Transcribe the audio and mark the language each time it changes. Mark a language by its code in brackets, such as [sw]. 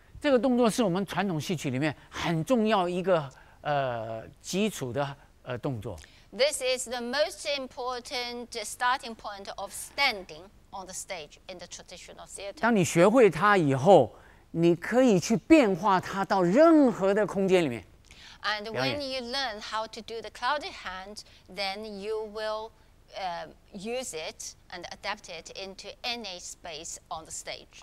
[zh] 这个动作是我们传统戏曲里面很重要一个基础的动作. [en] This is the most important starting point of standing on the stage in the traditional theatre. [zh] 当你学会它以后，你可以去变化它到任何的空间里面. [en] And when you learn how to do the cloud hand, then you will use it and adapt it into any space on the stage.